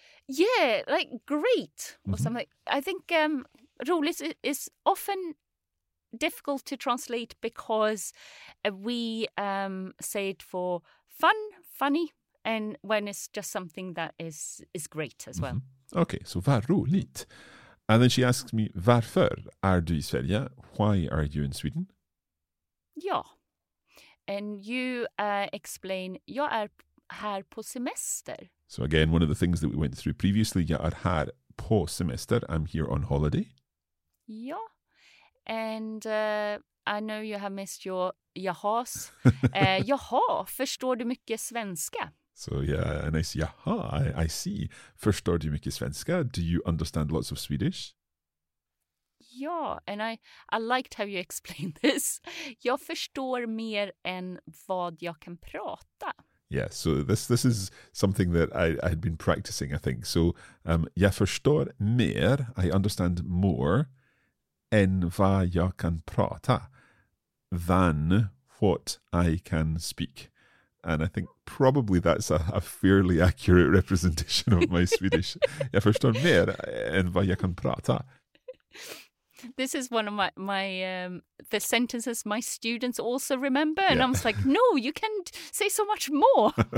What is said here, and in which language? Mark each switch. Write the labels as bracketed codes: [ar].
[en] Yeah, like great or something. I think roligt is often difficult to translate because we say it for fun, funny, and when it's just something that is great as well. [sv] Okay, so var roligt. [en] And then she asks me, [sv] varför är du I Sverige? [en] Why are you in Sweden? [sv] Ja. [en] And you explain, [sv] jag är här på semester. [en] So again, one of the things that we went through previously, [sv] jag är här på semester. [en] I'm here on holiday. [sv] Ja. [en] And I know you have missed your jahas. [sv] jaha, förstår du mycket svenska? [en] So yeah, a nice jaha, I see. [sv] Förstår du mycket svenska? [en] Do you understand lots of Swedish? Ja, and I liked how you explained this. [sv] Jag förstår mer än vad jag kan prata. [en] Yeah, so this is something that I had been practicing, I think. So [sv] jag förstår mer, [en] I understand more [sv] än vad jag kan prata [en] than what I can speak. And I think probably that's a fairly accurate representation of my Swedish. [sv] Jag förstår mer än vad jag kan prata. [en] This is one of the sentences my students also remember. And yeah. I was like, no, you can say so much more.